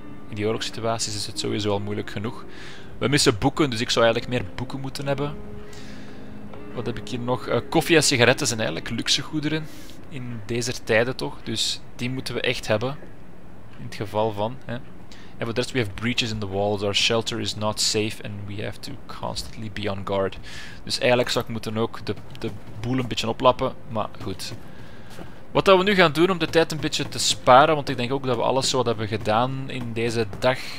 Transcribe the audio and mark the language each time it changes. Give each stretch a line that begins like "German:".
Dutch: In die oorlogssituaties is het sowieso al moeilijk genoeg. We missen boeken, dus ik zou eigenlijk meer boeken moeten hebben. Wat heb ik hier nog? Koffie en sigaretten zijn eigenlijk luxegoederen. In deze tijden toch. Dus die moeten we echt hebben. In het geval van... hè. En voor de rest,
English: we have breaches in the walls. Our shelter is not safe and we have to constantly be on guard.
Dutch: Dus eigenlijk zou ik moeten ook de boel een beetje oplappen, maar goed. Wat dat we nu gaan doen om de tijd een beetje te sparen, want ik denk ook dat we alles zo wat hebben gedaan in deze dag.